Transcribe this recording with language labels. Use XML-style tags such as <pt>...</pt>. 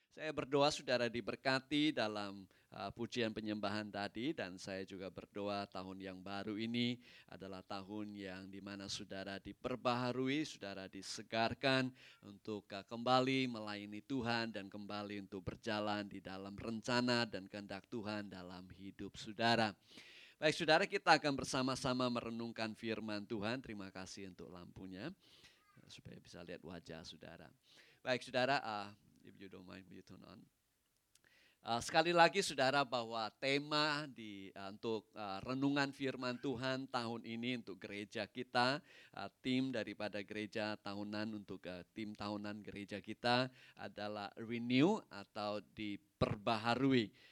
<id>Saya berdoa saudara diberkati dalam pujian penyembahan tadi, dan saya juga berdoa tahun yang baru ini adalah tahun yang dimana saudara diperbaharui, saudara disegarkan untuk kembali melayani Tuhan dan kembali untuk berjalan di dalam rencana dan kehendak Tuhan dalam hidup saudara. Baik saudara, kita akan bersama-sama merenungkan firman Tuhan. Terima kasih untuk lampunya supaya bisa lihat wajah saudara. Baik saudara,</id> <en>if you don't mind, will you turn on?</en> <id>Sekali lagi saudara, bahwa tema di untuk renungan firman Tuhan tahun ini untuk gereja kita, tim daripada gereja tahunan, untuk tim tahunan gereja kita adalah renew atau diperbaharui.</id>